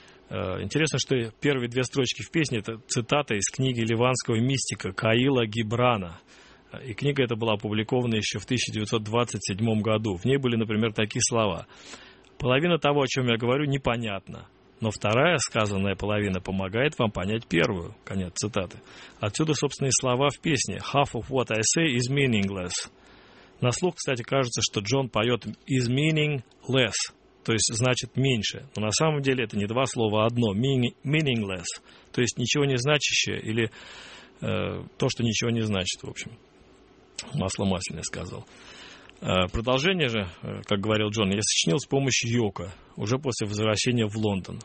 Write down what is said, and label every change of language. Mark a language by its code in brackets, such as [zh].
[ru] Интересно, что первые две строчки в песне – это цитата из книги ливанского мистика Каила Гибрана. И книга эта была опубликована еще в 1927 году. В ней были, например, такие слова: «Половина того, о чем я говорю, непонятна, но вторая сказанная половина помогает вам понять первую». Конец цитаты. Отсюда, собственно, и слова в песне: [en] «Half of what I say is meaningless». [ru] На слух, кстати, кажется, что Джон поет [en] «is meaningless», [ru] то есть значит «меньше». Но на самом деле это не два слова, а одно: «meaningless», то есть «ничего не значащее» или «то, что ничего не значит», в общем. Масло масляное сказал. Продолжение же, как говорил Джон, я сочинил с помощью Йоко уже после возвращения в Лондон.